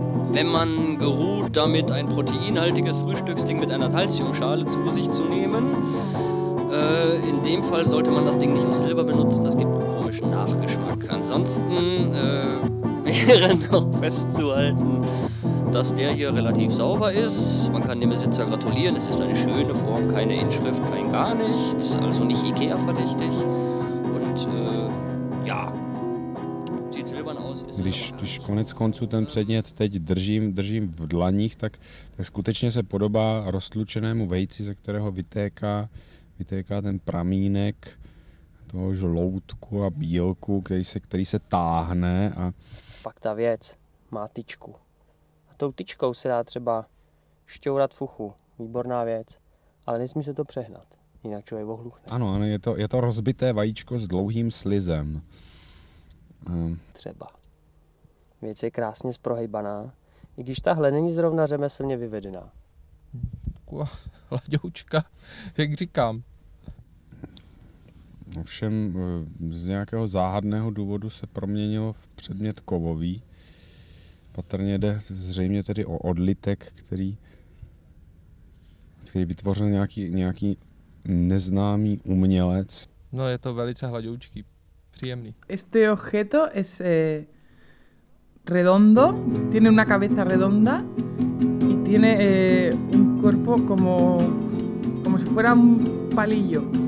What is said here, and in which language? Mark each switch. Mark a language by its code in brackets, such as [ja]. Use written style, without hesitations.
[de] Wenn man geruht damit, ein proteinhaltiges Frühstücksding mit einer Calciumschale zu sich zu nehmen, in dem Fall sollte man das Ding nicht aus Silber benutzen, das gibt einen komischen Nachgeschmack. Ansonsten wäre noch festzuhalten, dass der hier relativ sauber ist. Man kann dem Besitzer gratulieren, es ist eine schöne Form, keine Inschrift, kein gar nichts, also nicht IKEA-verdächtig. Und ja, sieht silbern aus. [cs] Ist když, es když konec konců ten předmět teď držím v dlaních, tak skutečně se podobá roztlučenému vejci, ze kterého vytéká ten pramínek toho žloutku a bílku, který se táhne. A pak ta věc má tyčku. A tou tyčkou se dá třeba šťourat fuchu. Výborná věc. Ale nesmí se to přehnat. Jinak člověk ohluchne. Ano, je to rozbité vajíčko s dlouhým slizem. Třeba. Věc je krásně zprohejbaná. I když tahle není zrovna řemeslně vyvedená. Hladoučka, jak říkám. Ovšem z nějakého záhadného důvodu se proměnilo v předmět kovový. Patrně jde zřejmě tedy o odlitek, který vytvořil nějaký neznámý umělec. No, je to velice hladoučký, příjemný. [es] Este objeto es redondo, tiene una cabeza redonda y tiene un cuerpo como si fuera un palillo.